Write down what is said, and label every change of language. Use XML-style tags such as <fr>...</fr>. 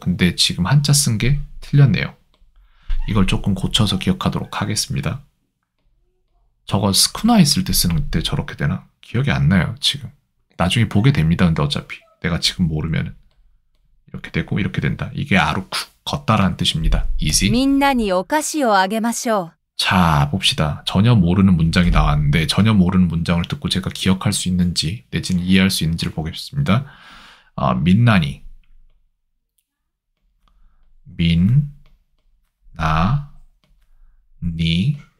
<ko>근데 지금 한자 쓴게 틀렸네요. 이걸 조금 고쳐서 기억하도록 하겠습니다. 저거 스쿠나 했을 때 쓰는 때 저렇게 되나? 기억이 안 나요, 지금. 나중에 보게 됩니다. 근데 어차피 내가 지금 모르면 이렇게 되고 이렇게 된다. 이게 아루쿠, 걷다라는 뜻입니다. easy.</ko> <ja>みんなにお菓子をあげましょう.</ja> <ko>자, 봅시다. 전혀 모르는 문장이 나왔는데, 전혀 모르는 문장을 듣고 제가 기억할 수 있는지, 내지는 이해할 수 있는지를 보겠습니다. 민나니. 민, 나, 니.</ko>